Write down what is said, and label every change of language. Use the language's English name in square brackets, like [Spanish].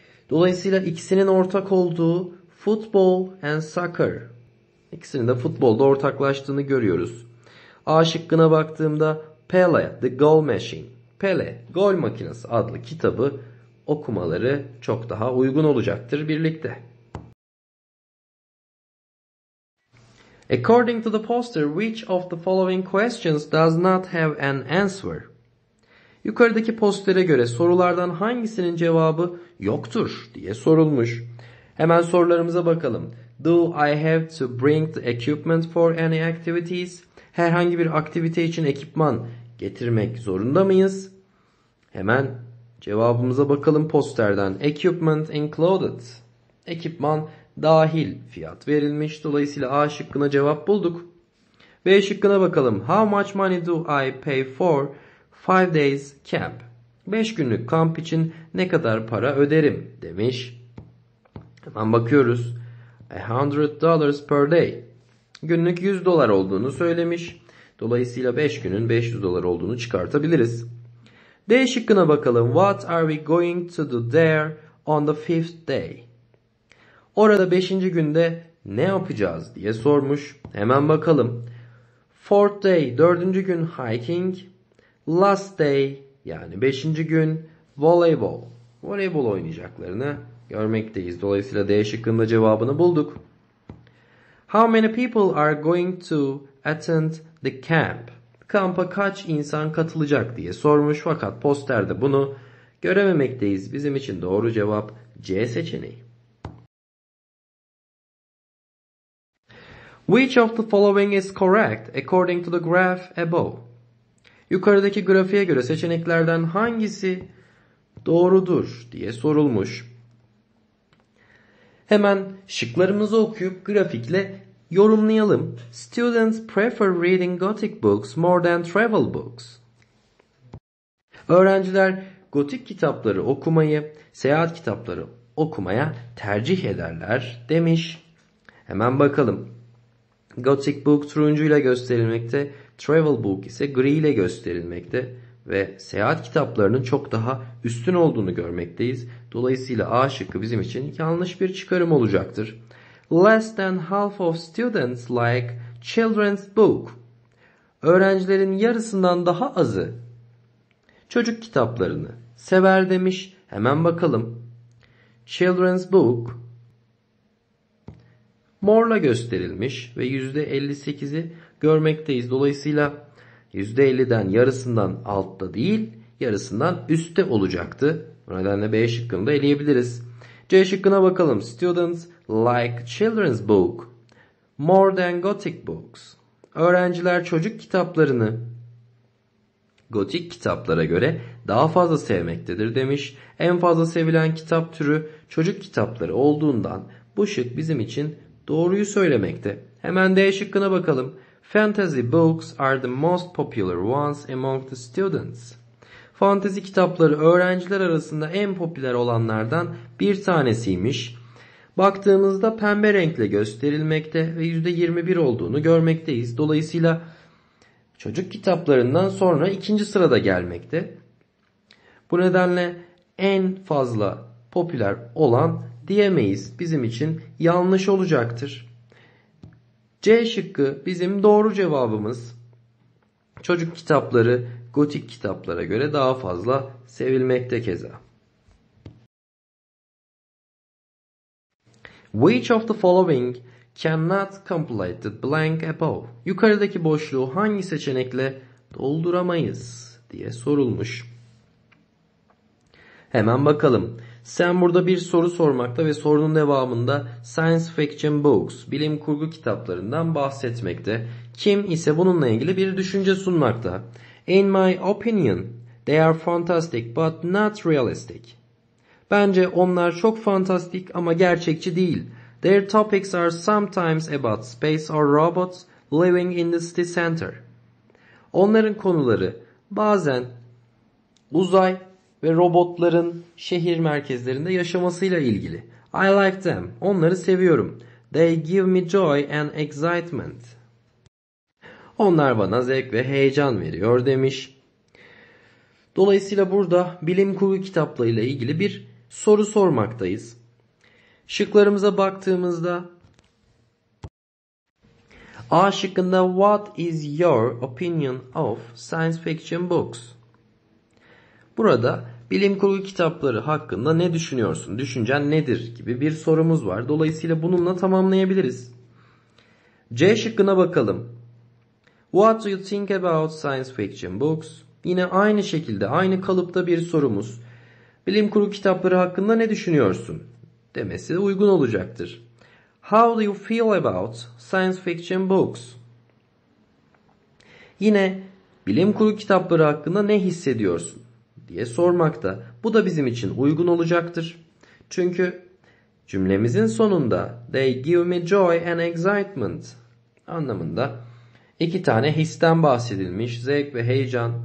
[Turkish] Dolayısıyla ikisinin ortak olduğu [English] Football and Soccer. [Turkish] İkisinin de futbolda ortaklaştığını görüyoruz. A şıkkına baktığımda Pele, [English] The Goal Machine. [Turkish] Pele, Gol Makinesi adlı kitabı okumaları çok daha uygun olacaktır birlikte. [English] According to the poster, which of the following questions does not have an answer? [Turkish] Yukarıdaki postere göre sorulardan hangisinin cevabı yoktur diye sorulmuş. Hemen sorularımıza bakalım. [English] Do I have to bring the equipment for any activities? [Turkish] Herhangi bir aktivite için ekipman getirmek zorunda mıyız? Hemen cevabımıza bakalım posterden. [English] Equipment included. [Turkish] Ekipman dahil fiyat verilmiş. Dolayısıyla A şıkkına cevap bulduk. B şıkkına bakalım. [English] How much money do I pay for 5 days camp? [Turkish] 5 günlük kamp için ne kadar para öderim demiş. Hemen bakıyoruz. [English] $100 per day. [Turkish] Günlük $100 olduğunu söylemiş. Dolayısıyla 5 günün $500 olduğunu çıkartabiliriz. D şıkkına bakalım. [English] What are we going to do there on the 5th day? [Turkish] Orada 5. günde ne yapacağız diye sormuş. Hemen bakalım. [English] 4th day, [Turkish] 4. gün [English] hiking. Last day, [Turkish] yani 5. gün voleybol. Voleybol oynayacaklarını görmekteyiz. Dolayısıyla D şıkkında cevabını bulduk. [English] How many people are going to attend the camp? [Turkish] Kampa kaç insan katılacak diye sormuş. Fakat posterde bunu görememekteyiz. Bizim için doğru cevap C seçeneği. [English] Which of the following is correct according to the graph above? [Turkish] Yukarıdaki grafiğe göre seçeneklerden hangisi doğrudur diye sorulmuş. Hemen şıklarımızı okuyup grafikle yorumlayalım. [English] Students prefer reading gothic books more than travel books. [Turkish] Öğrenciler gotik kitapları okumayı, seyahat kitapları okumaya tercih ederler demiş. Hemen bakalım. Gothic book turuncuyla gösterilmekte, travel book ise gri ile gösterilmekte ve seyahat kitaplarının çok daha üstün olduğunu görmekteyiz. Dolayısıyla A şıkkı bizim için yanlış bir çıkarım olacaktır. [English] Less than half of students like children's book. [Turkish] Öğrencilerin yarısından daha azı çocuk kitaplarını sever demiş. Hemen bakalım. Children's book morla gösterilmiş ve %58'i görmekteyiz. Dolayısıyla %50'den yarısından altta değil, yarısından üstte olacaktı. Bu nedenle B şıkkını da eleyebiliriz. C şıkkına bakalım. [English] Students like children's book more than gothic books. [Turkish] Öğrenciler çocuk kitaplarını gotik kitaplara göre daha fazla sevmektedir demiş. En fazla sevilen kitap türü çocuk kitapları olduğundan bu şık bizim için doğruyu söylemekte. Hemen D şıkkına bakalım. [English] Fantasy books are the most popular ones among the students. [Turkish] Fantezi kitapları öğrenciler arasında en popüler olanlardan bir tanesiymiş. Baktığımızda pembe renkle gösterilmekte ve %21 olduğunu görmekteyiz. Dolayısıyla çocuk kitaplarından sonra ikinci sırada gelmekte. Bu nedenle en fazla popüler olan diyemeyiz. Bizim için yanlış olacaktır. C şıkkı bizim doğru cevabımız. Çocuk kitapları gotik kitaplara göre daha fazla sevilmekte keza. [English] Which of the following cannot complete the blank above? [Turkish] Yukarıdaki boşluğu hangi seçenekle dolduramayız diye sorulmuş. Hemen bakalım. Sen burada bir soru sormakta ve sorunun devamında [English] science fiction books, [Turkish] bilim kurgu kitaplarından bahsetmekte. Kim ise bununla ilgili bir düşünce sunmakta. [English] In my opinion, they are fantastic but not realistic. [Turkish] Bence onlar çok fantastik ama gerçekçi değil. [English] Their topics are sometimes about space or robots living in the city center. [Turkish] Onların konuları bazen uzay ve robotların şehir merkezlerinde yaşamasıyla ilgili. [English] I like them. [Turkish] Onları seviyorum. [English] They give me joy and excitement. [Turkish] Onlar bana zevk ve heyecan veriyor demiş. Dolayısıyla burada bilim kurgu kitaplarıyla ilgili bir soru sormaktayız. Şıklarımıza baktığımızda A şıkkında [English] What is your opinion of science fiction books? [Turkish] Burada bilim kurgu kitapları hakkında ne düşünüyorsun? Düşüncen nedir? Gibi bir sorumuz var. Dolayısıyla bununla tamamlayabiliriz. C şıkkına bakalım. [English] What do you think about science fiction books? [Turkish] Yine aynı şekilde, aynı kalıpta bir sorumuz. Bilim kurgu kitapları hakkında ne düşünüyorsun? Demesi uygun olacaktır. [English] How do you feel about science fiction books? [Turkish] Yine bilim kurgu kitapları hakkında ne hissediyorsun diye sormakta. Bu da bizim için uygun olacaktır. Çünkü cümlemizin sonunda [English] they give me joy and excitement [Turkish] anlamında iki tane histen bahsedilmiş. Zevk ve heyecan.